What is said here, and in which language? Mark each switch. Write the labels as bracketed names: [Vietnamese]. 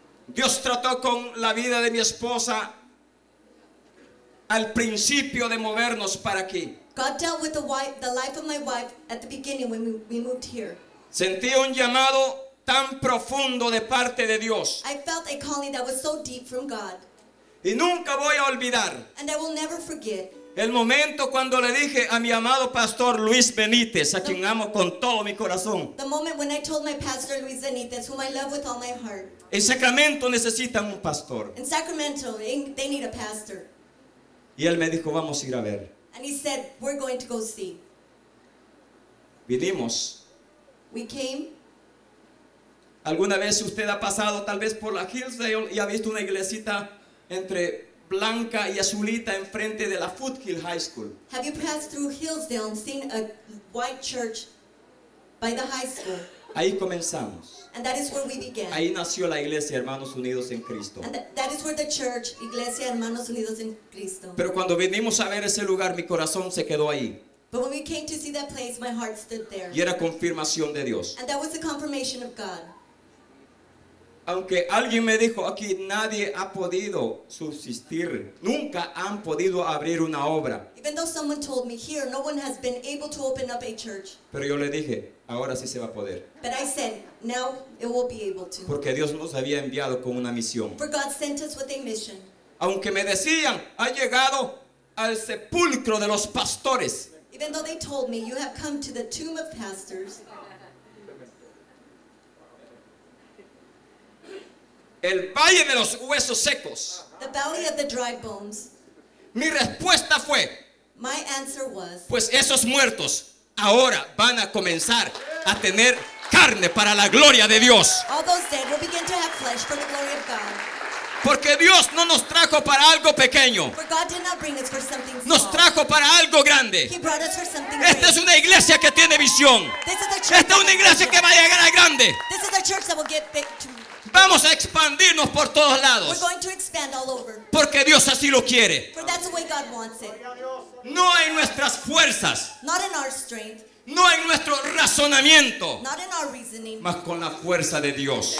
[Spanish] Dios trató con la vida de mi esposa al principio de movernos para aquí. [English] God dealt with the life of my wife at the beginning when we moved here. [Spanish] Sentí un llamado tan profundo de parte de Dios. [English] I felt a calling that was so deep from God. [Spanish] Y nunca voy a olvidar. [English] And I will never forget. [Spanish] El momento cuando le dije a mi amado pastor Luis Benítez, a quien amo con todo mi corazón. [English] The moment when I told my pastor Luis Benítez, whom I love with all my heart. [Spanish] En Sacramento necesitan un pastor. [English] In Sacramento, they need a pastor. [Spanish] Y él me dijo, vamos a ir a ver. [English] And he said, we're going to go see. [Spanish] Vinimos. [English] We came. [Spanish] ¿Alguna vez usted ha pasado tal vez por la Hillsdale y ha visto una iglesita entre blanca y azulita enfrente de la Foothill High School? [English] Have you passed through Hillsdale and seen a white church by the high school? [Spanish] Ahí comenzamos. [English] And that is where we began. [Spanish] Ahí nació la iglesia Hermanos Unidos en Cristo. [English] And that is where the church, Iglesia Hermanos Unidos en Cristo. [Spanish] Pero cuando vinimos a ver ese lugar, mi corazón se quedó ahí. [English] But when we came to see that place, my heart stood there. [Spanish] Y era confirmación de Dios. [English] And that was the confirmation of God. [Spanish] Aunque alguien me dijo aquí, nadie ha podido subsistir, nunca han podido abrir una obra. [English] Even though someone told me here, no one has been able to open up a church. [Spanish] Pero yo le dije, ahora sí se va a poder. [English] But I said, now it will be able to. [Spanish] Porque Dios nos había enviado con una misión. [English] For God sent us with a mission. [Spanish] Aunque me decían, ha llegado al sepulcro de los pastores. [English] Even though they told me, you have come to the tomb of pastors. [Spanish] El valle de los huesos secos. [English] The valley of the dry bones. [Spanish] Mi respuesta fue. [English] My answer was. [Spanish] Pues esos muertos ahora van a comenzar a tener carne para la gloria de Dios. [English] All those dead will begin to have flesh for the glory of God. [Spanish] Porque Dios no nos trajo para algo pequeño. [English] For God did not bring us for something small. [Spanish] Nos trajo para algo grande. [English] He brought us for something great. [Spanish] Esta es una iglesia que tiene visión. [English] This is a church. [Spanish] Esta es una iglesia que va a llegar a grande. [English] This is a church that will get big to. [Spanish] Vamos a expandirnos por todos lados. [English] We're going to expand all over. [Spanish] Porque Dios así lo quiere. [English] For that's the way God wants it. [Spanish] No en nuestras fuerzas. [English] Not in our strength. [Spanish] No en nuestro razonamiento. [English] Not in our reasoning. [Spanish] Mas con la fuerza de Dios.